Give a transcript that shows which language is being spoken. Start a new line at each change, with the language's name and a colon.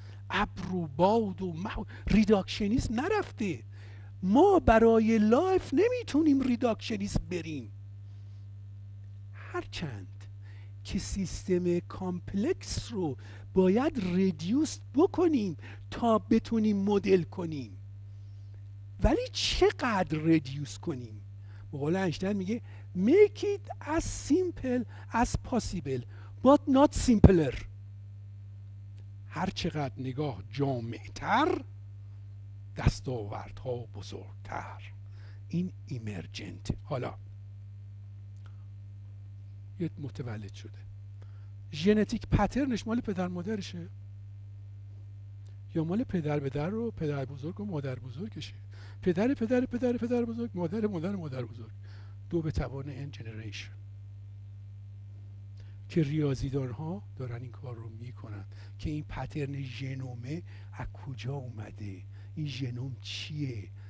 Persian: ابر و باد و مه و... ریداکشنیسم نرفته. ما برای لایف نمیتونیم ریداکشنیسم بریم، هرچند که سیستم کامپلکس رو باید ریدیوس بکنیم تا بتونیم مدل کنیم. ولی چقدر ریدیوس کنیم؟ به قول اینشتین میگه
English: make it as simple as possible but not simpler.
Persian: هر چقدر نگاه جامع‌تر، دستاوردها بزرگتر. این ایمرجنت. حالا یه متولد شده، ژنتیک پترنش مال پدر مادرشه یا مال پدر بدر و پدر بزرگ و مادر بزرگشه؟ پدر پدر پدر پدر بزرگ، مادر مادر مادر بزرگ، دو به توان این جنریشن که ریاضیدان‌ها دارن این کار رو میکنن که این پترن ژنومه از کجا اومده، این ژنوم چیه.